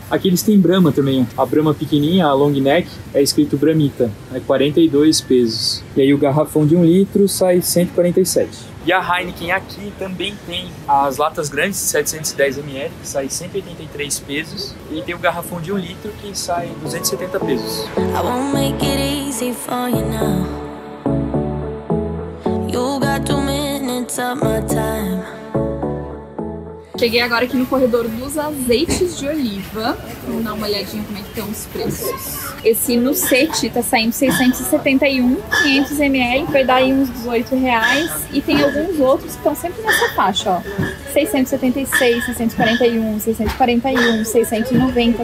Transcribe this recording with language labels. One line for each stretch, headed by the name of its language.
Portuguese: Aqui eles têm Brahma também. A Brahma pequenininha, a long neck, é escrito Brahmita. É 42 pesos. E aí o garrafão de 1 litro sai 147. E a Heineken aqui também tem as latas grandes de 710 ml, que sai 183 pesos. E tem o garrafão de 1 litro que sai 270 pesos.
English: I won't make it easy for you now. You got 2 minutes of my time.
Portuguese: Cheguei agora aqui no corredor dos azeites de oliva. Vamos dar uma olhadinha como é que estão os preços. Esse Nucete tá saindo 671, 500ml, vai dar aí uns R$18. E tem alguns outros que estão sempre nessa faixa, ó. 676, 641, 641, 690.